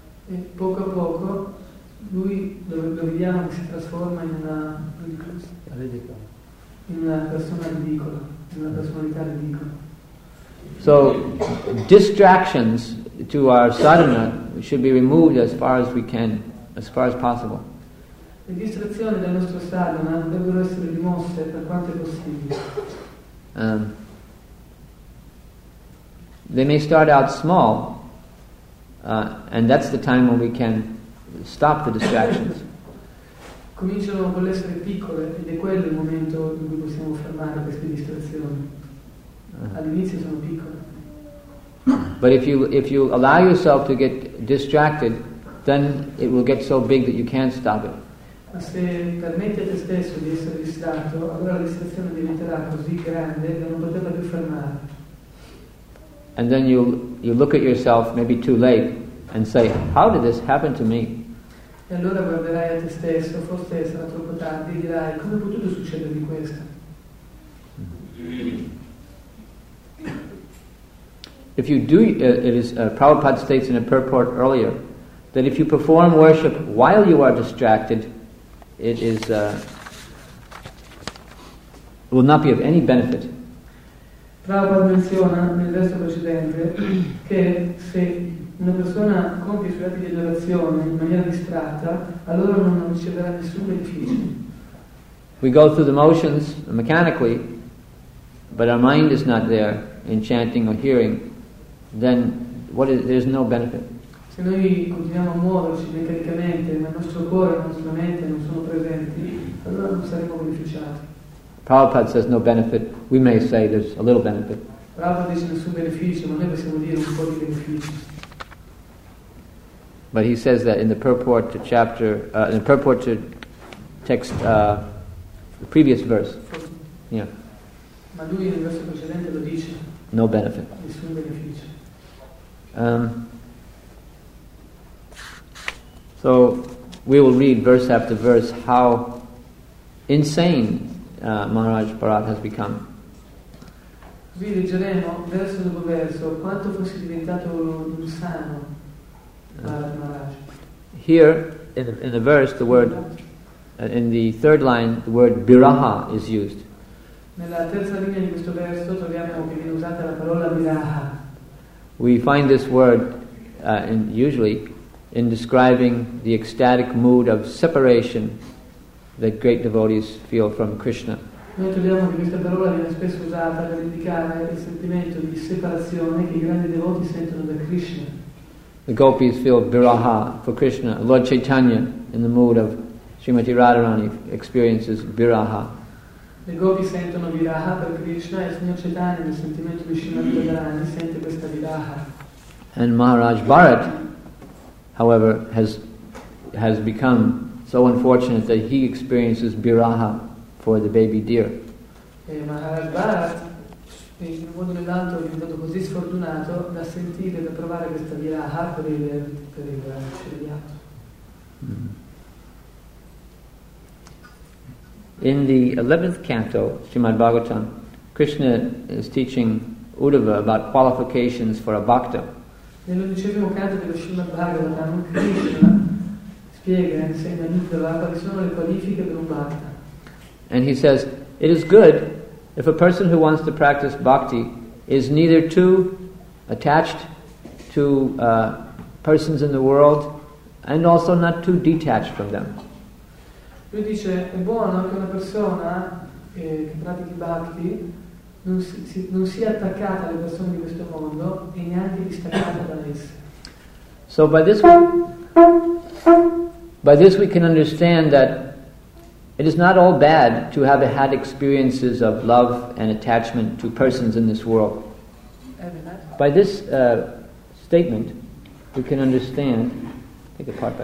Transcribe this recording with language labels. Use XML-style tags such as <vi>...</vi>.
<it>E poco a poco lui lo vediamo che si trasforma in una persona ridicola, in una personalità ridicola.</it> <en>So distractions to our sadhana should be removed as far as we can, as far as possible.</en> <it>Le distrazioni del nostro sadhana dovrebbero essere rimosse per quanto è possibile.</it> <en>They may start out small, and that's the time when we can stop the distractions.</en> <it>Cominciano con l'essere piccole ed è quello il momento in cui possiamo fermare queste distrazioni. All'inizio sono piccole.</it> <en>But if you allow yourself to get distracted, then it will get so big that you can't stop it.</en> <it>Ma se permette a te stesso di essere distratto, allora la distrazione diventerà così grande da non poterla più fermare.</it> <en>And then you look at yourself, maybe too late, and say, how did this happen to me?</en> <it>E allora guarderai a te stesso, forse sarà troppo tardi, e dirai, come è potuto succedermi questo?</it> <en>If you do, it is, Prabhupada states in a purport earlier, that if you perform worship while you are distracted, it is will not be of any benefit.</en> <it>Prabhupada menziona nel verso precedente che se una persona compie i suoi atti di adorazione in maniera distratta, allora non riceverà nessun beneficio.</it> <en>We go through the motions mechanically, but our mind is not there in chanting or hearing, then there's no benefit.</en> <it>Se noi continuiamo a muoverci meccanicamente, ma il nostro cuore e la nostra mente non sono presenti, allora non saremo beneficiati.</it> <en>Prabhupada says no benefit. We may say there's a little benefit.</en> <it>Prabhupada dice nessun beneficio, ma noi possiamo dire un po' di beneficio.</it> <en>But he says that in the purport to chapter, in the purport to text, the previous verse. Yeah.</en> <it>Ma lui nel verso precedente lo dice.</it> <en>No benefit.</en> <it>Nessun beneficio.</it> <en>So we will read verse after verse how insane Maharaj Bharat has become.</en> <it>Così leggeremo verso dopo verso quanto fosse diventato un sano Maharaj.</it> <en>Here in the verse, the word in the third line, the word biraha is used.</en> <it>Nella terza linea di questo verso troviamo che viene usata la parola biraha.</it> <en>We find this word usually in describing the ecstatic mood of separation that great devotees feel from Krishna.</en> <it>Noi troviamo che questa parola viene spesso usata per indicare il sentimento di separazione che i grandi devoti sentono da Krishna.</it> <en>The gopis feel biraha for Krishna. Lord Chaitanya, in the mood of Srimati Radharani, experiences biraha.</en> <it>Le gopi sentono biraha per Krishna e il Signor Chaitanya, nel sentimento di Srimati Radharani, sente questa biraha.</it> <en>And Maharaj Bharat, however, has become so unfortunate that he experiences biraha for the baby deer.</en> <it>Maharaj Bharat, in un modo o nell'altro, è diventato così sfortunato da sentire, da provare questa biraha per il scelviato.</it> <en>In the 11th canto, Srimad Bhagavatam, Krishna is teaching Uddhava about qualifications for a bhakta.</en> <it>Nell'undicesimo canto dello Srimad Bhagavatam, Krishna spiega, insegna a Uddhava, quali sono le qualifiche per un bhakta.</it> <en>And he says, it is good if a person who wants to practice bhakti is neither too attached to persons in the world and also not too detached from them.</en> <it>Lui dice, è buono che una persona che pratichi bhakti non sia attaccata alle persone di questo mondo e neanche distaccata da esse.</it> <en>So by this we can understand that it is not all bad to have had experiences of love and attachment to persons in this world. By this statement, we can understand, take a part by</en>